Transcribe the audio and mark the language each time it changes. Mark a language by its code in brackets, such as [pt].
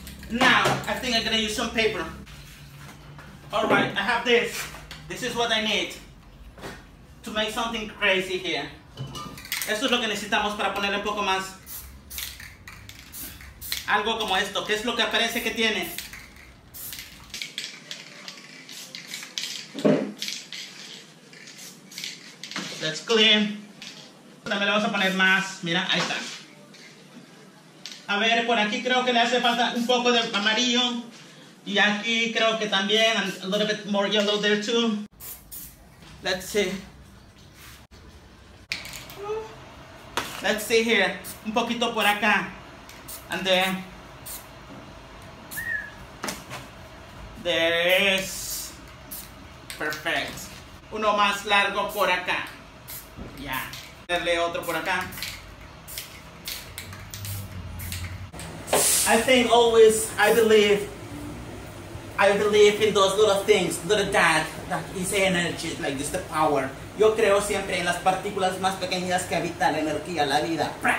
[en] Now, I think I'm gonna use some paper. All right, I have this. This is what I need to make something crazy here. [es] Esto es lo que necesitamos para ponerle un poco más. Algo como esto, ¿qué es lo que aparece que tiene? [en] Let's clean. [es] También le vamos a poner más. Mira, ahí está. A ver, por aquí creo que le hace falta un poco de amarillo. Y aquí creo que también [en] a little bit more yellow there too. Let's see. Let's see here. [es] Un poquito por acá. [en] And then. There is. Perfect. [es] Uno más largo por acá. Ya, yeah. Darle otro por acá. [en] I think always, I believe in those little things, little that is energy, like this, the power. [es] Yo creo siempre en las partículas más pequeñas que habitan la energía, la vida.